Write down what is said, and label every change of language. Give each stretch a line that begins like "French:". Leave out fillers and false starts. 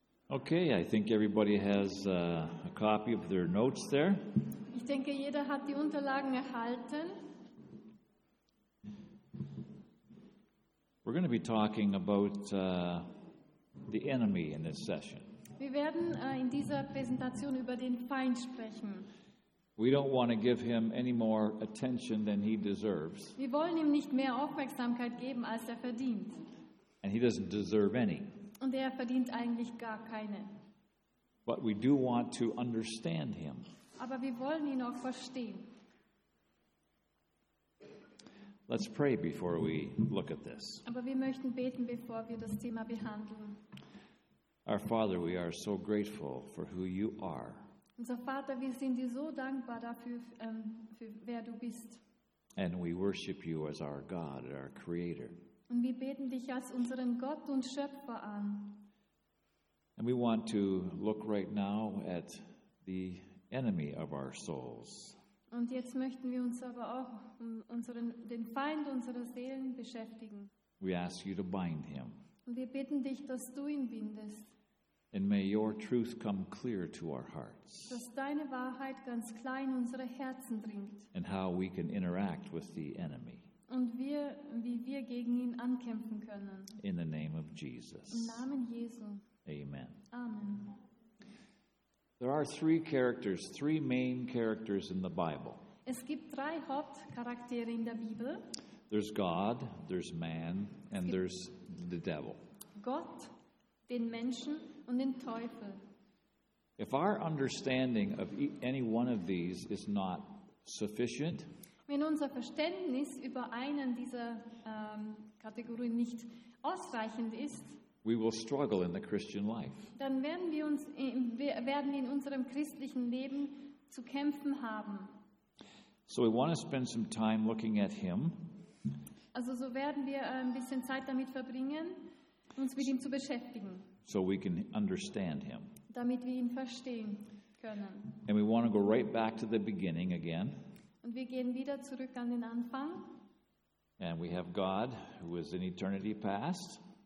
English: Okay, I think everybody has a copy of their notes there.
German: Ich denke, jeder hat die Unterlagen erhalten.
English: We're going to be talking about the enemy in this session.
German: Wir werden in dieser Präsentation über den Feind sprechen.
English: We don't want to give him any more attention than he deserves.
German: Wir wollen ihm nicht mehr Aufmerksamkeit geben, als er verdient.
English: And he doesn't deserve any.
German: Und er verdient eigentlich gar keine.
English: But we do want to understand him.
German: Aber wir wollen ihn auch verstehen.
English: Let's pray before we look at this.
German: Aber wir möchten beten, bevor wir das Thema behandeln.
English: Our Father, we are so grateful for who you are.
German: Unser Vater, wir sind dir so dankbar dafür, für wer du bist.
English: And we worship you as our God and our Creator.
German: Und wir beten dich als unseren Gott und Schöpfer an.
English: And we want to look right now at the enemy of our souls.
German: Und jetzt möchten wir uns aber auch den Feind unserer Seelen beschäftigen.
English: We ask you to bind him.
German: Und wir bitten dich, dass du ihn bindest.
English: And may your truth come clear to our hearts.
German: Dass deine Wahrheit ganz klar in unsere Herzen dringt.
English: And how we can interact with the enemy.
German: Und wie wir gegen ihn ankämpfen können.
English: In the name of Jesus.
German: Im Namen Jesu.
English: Amen.
German: Amen.
English: There are three main characters in the Bible.
German: Es gibt drei Hauptcharaktere in der Bibel.
English: There's God, there's man, and there's the devil.
German: Gott, den Menschen und den Teufel.
English: If our understanding of any one of these is not sufficient,
German: wenn unser Verständnis über einen dieser Kategorien nicht ausreichend ist,
English: we will struggle in the Christian life.
German: Dann werden wir in unserem christlichen Leben zu kämpfen haben.
English: So we want to spend some time looking at him.
German: Also so werden wir ein bisschen Zeit damit verbringen, uns mit ihm zu beschäftigen.
English: So we can understand him.
German: Damit wir ihn verstehen können.
English: And we want to go right back to the beginning again.
German: Und wir gehen wieder zurück an den Anfang.
English: And we have God, who is in eternity past.